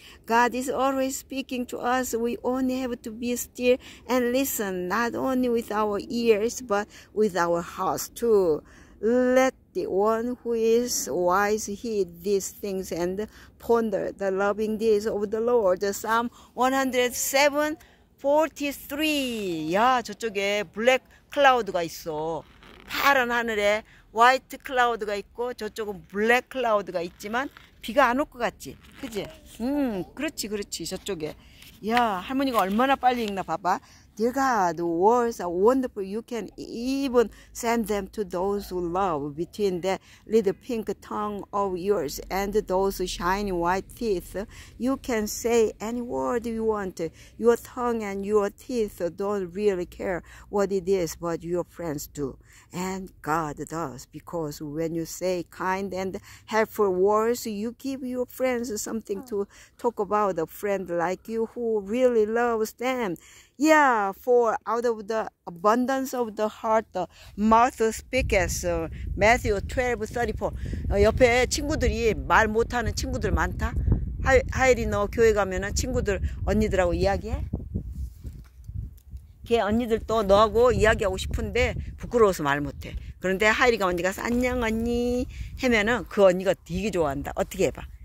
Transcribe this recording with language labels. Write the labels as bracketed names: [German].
[English] God is always speaking to us. We only have to be still and listen, not only with our ears, but with our hearts too. Let the one who is wise heed these things and ponder the loving deeds of the Lord. Psalm 107:43. [Korean] 야, 저쪽에 블랙 클라우드가 있어. 파란 하늘에 화이트 클라우드가 있고 저쪽은 블랙 클라우드가 있지만 비가 안 올 것 같지? 그지? 그렇지 그렇지. 저쪽에. 야, 할머니가 얼마나 빨리 읽나 봐봐. [English] Dear God, words are wonderful. You can even send them to those who love between that little pink tongue of yours and those shiny white teeth. You can say any word you want. Your tongue and your teeth don't really care what it is, but your friends do. And God does, because when you say kind and helpful words, you give your friends something to talk about, a friend like you who really loves them. Yeah, for out of the abundance of the heart, the mouth speaketh. Matthew 12:34. [Korean] 옆에 친구들이 말 못하는 친구들 많다? 하일이 너 교회 가면 친구들 언니들하고 이야기해? 걔 언니들 또 너하고 이야기하고 싶은데 부끄러워서 말 못해. 그런데 하일이가 언니가 안녕 언니 하면은 그 언니가 되게 좋아한다. 어떻게 해봐.